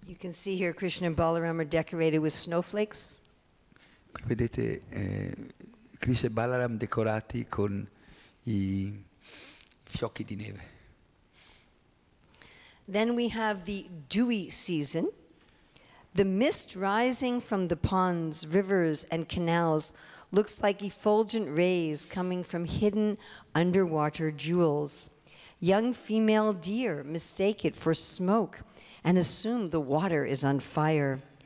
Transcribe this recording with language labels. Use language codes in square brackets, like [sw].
[en] See here Krishna and Balaram are decorated with snowflakes. [it] Vedete Krishna e Balaram decorati con i fiocchi di neve. [en] Then we have the dewy season. The mist rising from the ponds, rivers and canals looks like effulgent rays coming from hidden underwater jewels. Young female deer mistake it for smoke and assume the water is on fire.